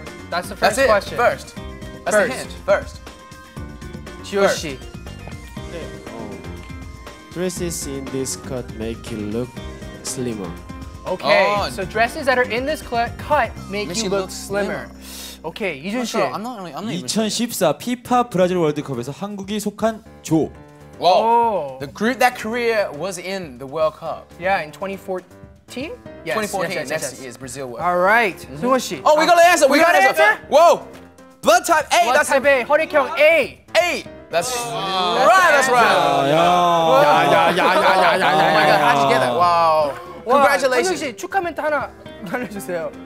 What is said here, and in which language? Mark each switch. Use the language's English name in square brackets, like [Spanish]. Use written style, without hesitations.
[English] That's the first question. Dresses in this cut make you look slimmer. Okay. Oh. So dresses that are in this cut make you look slimmer. [Korean] Okay, 이준 씨. 2014 피파 브라질 월드컵에서 한국이 속한 조. [English] Wow. Oh. The group that Korea was in the World Cup. Yeah, in 2014. Yes. 2014. Yes. Is Brazil World. [Korean] All right. 승호 씨. [English] Oh, we got an answer. We got an answer. Whoa. Blood type A. Blood type A. 허리형 A. A. That's right. Yeah. Oh my God. How did you get that? Wow. Congratulations. [Korean] 승호 씨 축하 멘트 하나 날려주세요.